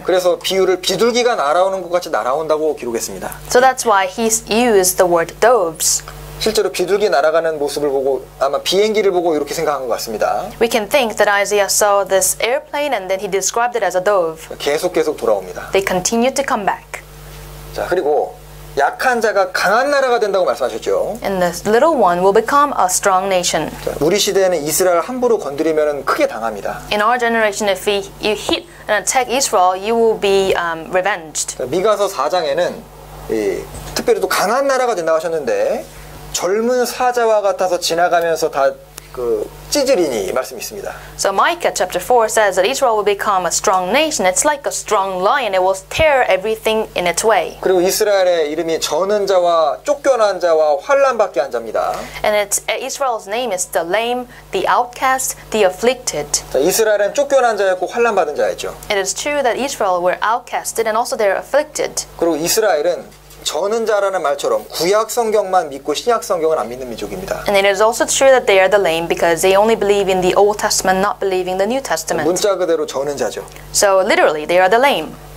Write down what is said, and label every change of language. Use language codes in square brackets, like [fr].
[ko] 그래서 비유를 비둘기가 날아오는 것 같이 날아온다고 기록했습니다. [en] So that's why he used the word doves. [ko] 실제로 비둘기 날아가는 모습을 보고 아마 비행기를 보고 이렇게 생각한 것 같습니다. [en] We can think that Isaiah saw this airplane and then he described it as a dove. [ko] 계속 돌아옵니다. [en] They continue to come back. [ko] 자, 그리고 약한 자가 강한 나라가 된다고 말씀하셨죠. [en] And the little one will become a strong nation. [ko] 자, 우리 시대에는 이스라엘 함부로 건드리면 크게 당합니다. [en] In our generation, if you hit and attack Israel, you will be revenged. [ko] 자, 미가서 4장에는 이, 특별히 또 강한 나라가 된다고 하셨는데 젊은 사자와 같아서 지나가면서 다 그 찌질이니 말씀이 있습니다. [en] So Micah chapter 4 says that Israel will become a strong nation. It's like a strong lion. It will tear everything in its way. [ko] 그리고 이스라엘의 이름이 저는 자와 쫓겨난 자와 환란받게 한 자입니다. [en] And Israel's name is the lame, the outcast, the afflicted. [ko] 자, 이스라엘은 쫓겨난 자였고 환란받은 자였죠. [en] It is true that Israel were outcasted and also they're afflicted. [ko] 그리고 이스라엘은 저는 자라는 말처럼 구약 성경만 믿고 신약 성경은 안 믿는 민족입니다. [en] And it is also true that they are the lame because they only believe in the Old Testament, not believing the New Testament. [ko] 문자 그대로 저는 자죠. [en] So literally, they are the lame.